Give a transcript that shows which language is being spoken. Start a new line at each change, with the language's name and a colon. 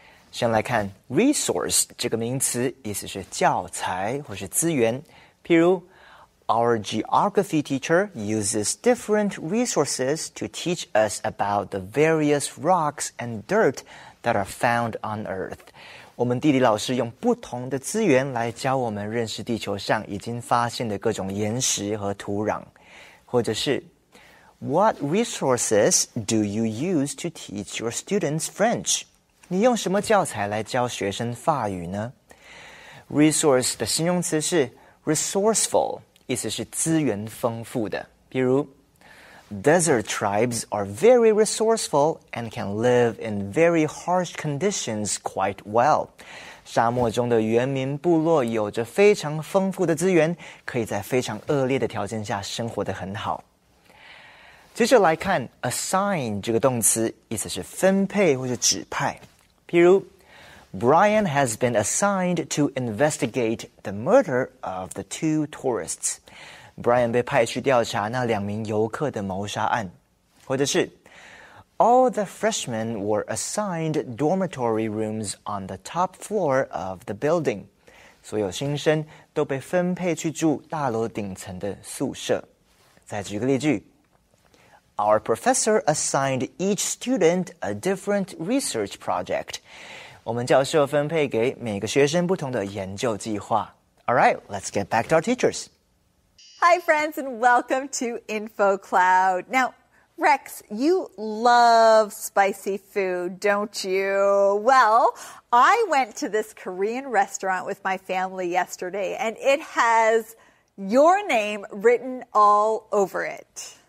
Chinese: 先来看 resource 这个名词，意思是教材或是资源。譬如
English: ,Our geography teacher uses different resources to teach us about the various rocks and dirt that are found on Earth.
Chinese: 我们地理老师用不同的资源来教我们认识地球上已经发现的各种岩石和土壤。或者是
English: ,What resources do you use to teach your students French?
Chinese: 你用什么教材来教学生法语呢 ?Resource 的形容词是 resourceful, 意思是资源丰富的。比如
English: ,desert tribes are very resourceful and can live in very harsh conditions quite well.
Chinese: 沙漠中的原民部落有着非常丰富的资源，可以在非常恶劣的条件下生活得很好。接着来看 assign 这个动词，意思是分配或是指派。比如
English: ,Brian has been assigned to investigate the murder of the two tourists.
Chinese: Brian 被派去调查那两名游客的谋杀案。或者是
English: ,All the freshmen were assigned dormitory rooms on the top floor of the building.
Chinese: 所有新生都被分配去住大楼顶层的宿舍。再举个例句。
English: Our professor assigned each student a different research project.
Chinese: 我们教授分配给每个学生不同的研究计划。
English: All right, let's get back to our teachers. Hi, friends, and welcome to InfoCloud. Now, Rex, you love spicy food, don't you? Well, I went to this Korean restaurant with my family yesterday, and it has your name written all over it.